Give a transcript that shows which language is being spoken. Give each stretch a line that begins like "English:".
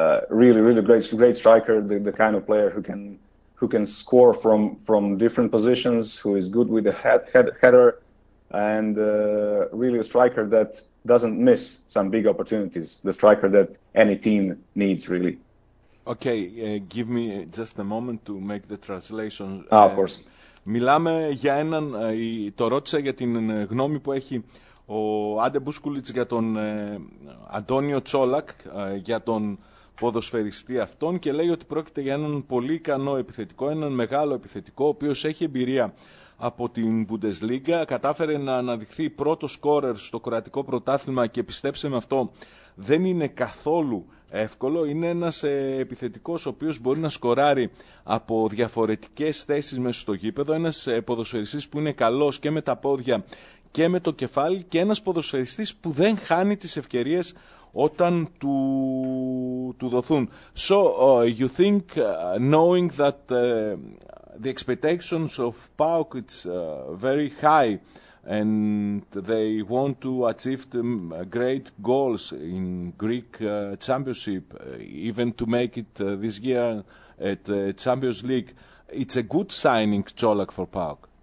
English: Really great striker, the kind of player who can score from different positions, who is good with the header, and really a striker that doesn't miss some big opportunities, the striker that any team needs, really. Okay, give me just a moment to make the translation. Of course.
Greek: Μιλάμε για έναν, το ρώτησα για την γνώμη που έχει ο Άντε Μπούσκουλιτς για τον Αντώνιο Τσόλακ, για τον ποδοσφαιριστή αυτόν, και λέει ότι πρόκειται για έναν πολύ ικανό επιθετικό, έναν μεγάλο επιθετικό, ο οποίος έχει εμπειρία από την Bundesliga, κατάφερε να αναδειχθεί πρώτος σκόρερ στο κροατικό πρωτάθλημα και πιστέψε με αυτό, δεν είναι καθόλου εύκολο. Είναι ένας επιθετικός ο οποίος μπορεί να σκοράρει από διαφορετικές θέσεις μέσα στο γήπεδο, ένας ποδοσφαιριστής που είναι καλός και με τα πόδια και με το κεφάλι, και ένας ποδοσφαιριστής που δεν χάνει τις ευκαιρίες όταν του δοθούν.
English: So, you think, knowing that the expectations of PAOK it's very high and they want to achieve great goals in Greek championship, even to make it this year at Champions League, it's a good signing, Tsolak, for PAOK.